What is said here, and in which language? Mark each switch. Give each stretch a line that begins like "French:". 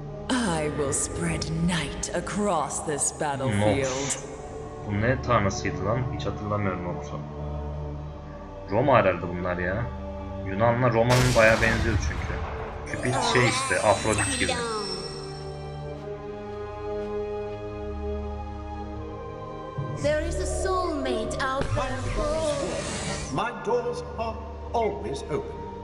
English: I will spread night across this battlefield.
Turkish: Bu ne tanrısıydı lan? Hiç hatırlamıyorum olsun. Roma herhalde bunlar ya. Yunan'la Roma'nın bayağı benziyor çünkü. Cupid şey işte, Afrodit gibi.
English: There is a soulmate out there. My doors are always open.